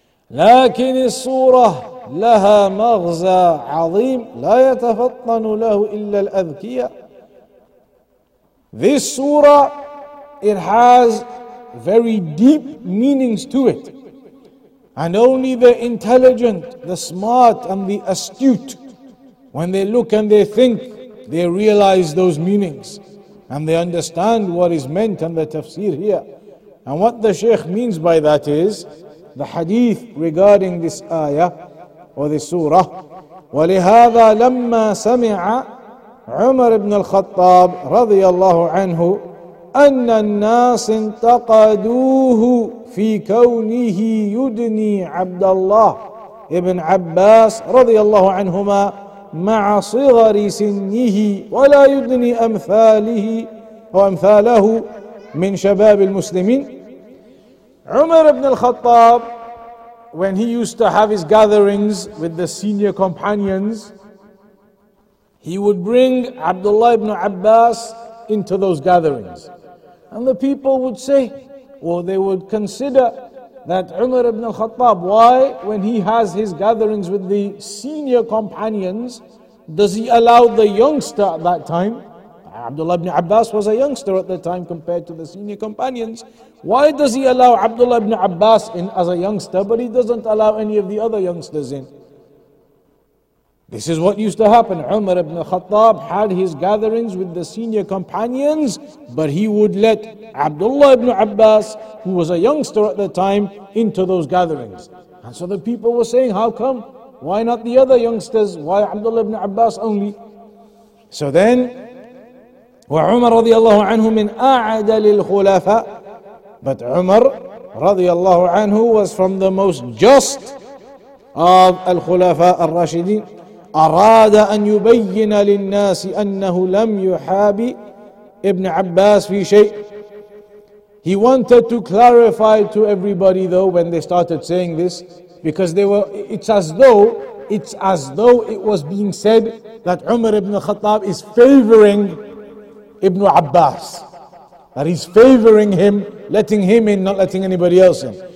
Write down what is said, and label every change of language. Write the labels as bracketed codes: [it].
[ar] لكن الصورة لها مغزى عظيم لا يتفطن له إلا الأذكياء. [en] This surah, it has very deep meanings to it. And only the intelligent, the smart and the astute, when they look and they think, they realize those meanings. And they understand what is meant and the tafsir here. And what the Shaykh means by that is, the hadith regarding this ayah or this surah. [ar] ولهذا لما سمع عمر بن الخطاب رضي الله عنه أن الناس انتقدوه في كونه يدني عبد الله ابن عباس رضي الله عنهما مع صغر سنه ولا يدني أمثاله وأمثاله من شباب المسلمين. [en] Umar ibn al-Khattab, when he used to have his gatherings with the senior companions, he would bring Abdullah ibn Abbas into those gatherings. And the people would say, or they would consider that Umar ibn al-Khattab, why, when he has his gatherings with the senior companions, does he allow the youngster at that time? Abdullah ibn Abbas was a youngster at the time compared to the senior companions. Why does he allow Abdullah ibn Abbas in as a youngster, but he doesn't allow any of the other youngsters in? This is what used to happen. Umar ibn Khattab had his gatherings with the senior companions, but he would let Abdullah ibn Abbas, who was a youngster at the time, into those gatherings. And so the people were saying, how come? Why not the other youngsters? Why Abdullah ibn Abbas only? So then, [ar] وعمر رضي الله عنه من أعدل الخلفاء. [en] But Umar رضي الله عنه was from the most just of الخلفاء الراشدين. [ar] أراد أن يبين للناس أنه لم يحاب ابن عباس في شيء. [en] He wanted to clarify to everybody though when they started saying this, because they were, it's as though it was being said that Umar ibn Khattab is favoring Ibn Abbas, that he's favoring him, letting him in, not letting anybody else in.